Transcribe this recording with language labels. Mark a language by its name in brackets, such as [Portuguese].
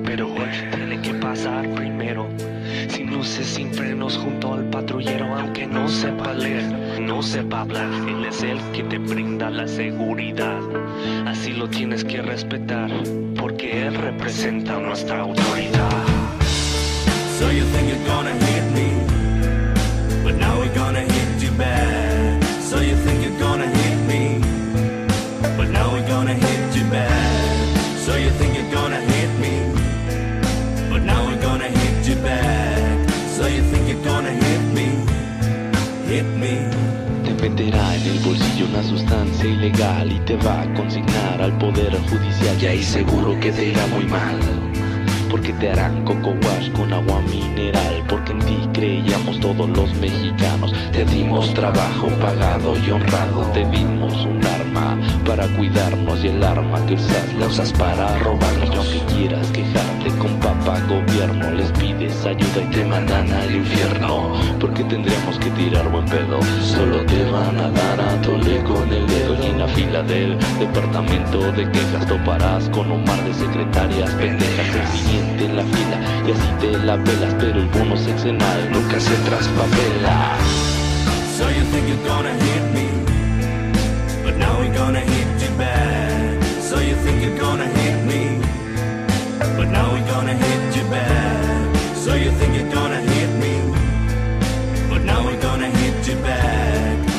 [Spanish] Pero él tiene que pasar primero. Sin luces, sin frenos, junto al patrullero. Aunque no sepa leer, no sepa hablar, él es el que te brinda la seguridad. Así lo tienes que respetar, porque él representa nuestra autoridad. [English] So you think you're gonna hit me, but now we're gonna hit you back. So you think you're gonna hit me, but now we're gonna hit you back. So you think you're gonna hit me, but now we're gonna hit you back. So you think you're gonna hit me, hit me. [Spanish] Venderá en el bolsillo una sustancia ilegal y te va a consignar al poder judicial. Y ahí seguro que te irá muy mal, porque te harán coco wash con agua mineral. Porque en ti creíamos todos los mexicanos. Te dimos trabajo pagado y honrado. Te dimos un arma para cuidarnos. Y el arma que usas la usas para robarnos. Y aunque quieras quejarte con papá gobierno, les pides ayuda y te mandan al infierno. Porque tendríamos que tirar buen pedo. Solo te van a dar a tole con el dedo. Y en la fila del departamento de quejas toparás con un mar de secretarias pendejas. Siente la fila y así te la pelas, pero el bono sexenal nunca se traspapela. [English] So you think you're gonna hit me, but now we're gonna hit you back. So you think you're gonna hit me, but now we're gonna hit you back. So you think you're gonna hit me, but now we're gonna hit you back.